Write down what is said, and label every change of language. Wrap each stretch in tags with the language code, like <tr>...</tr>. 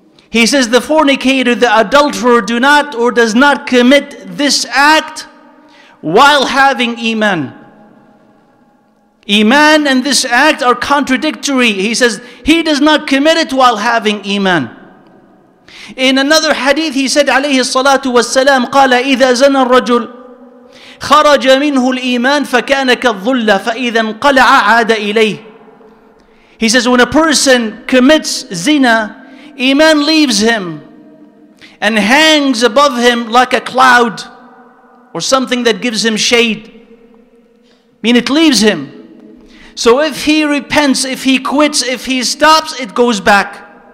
<en>He says, the fornicator, the adulterer, do not or does not commit this act while having iman. Iman and this act are contradictory. He says, he does not commit it while having iman. In another hadith, he said,</en> <ar>عليه الصلاة والسلام, قال, إذا زنى الرجل خرج منه الإيمان فكان كالظلة فإذا انقلع عاد إليه.</ar> <en>He says, when a person commits zina, iman leaves him and hangs above him like a cloud or something that gives him shade. I mean, it leaves him. So if he repents, if he quits, if he stops, it goes back.</en>